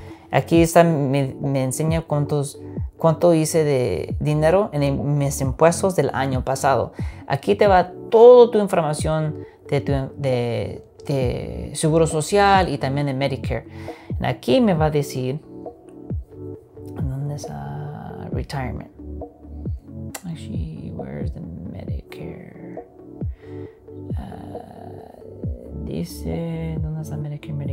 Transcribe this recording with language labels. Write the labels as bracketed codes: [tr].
[es] Aquí está, me enseña cuánto hice de dinero en mis impuestos del año pasado. Aquí te va toda tu información de Seguro Social y también de Medicare. Aquí me va a decir ¿dónde está retirement? [en] Actually, where's the Medicare? [es] Dice ¿dónde está Medicare?